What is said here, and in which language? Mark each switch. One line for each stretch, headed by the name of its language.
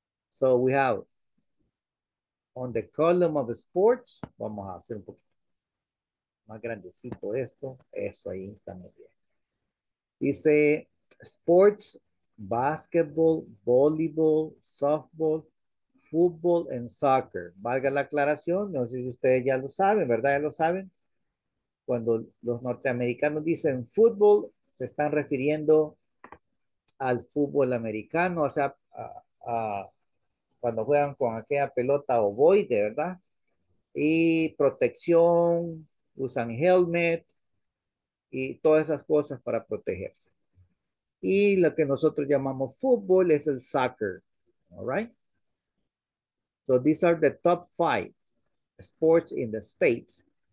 English: So we have on the column of sports,
Spanish: vamos a hacer un poquito más grandecito esto, eso ahí está muy bien.
English: Dice sports, basketball, volleyball, softball, football and soccer.
Spanish: Valga la aclaración, no sé si ustedes ya lo saben, ¿verdad? Ya lo saben. Cuando los norteamericanos dicen fútbol, se están refiriendo al fútbol americano, o sea, a cuando juegan con aquella pelota ovoide, ¿verdad? Y protección, usan helmet y todas esas cosas para protegerse. Y lo que nosotros llamamos fútbol es el soccer.
English: All right? So these are the top five sports in the States.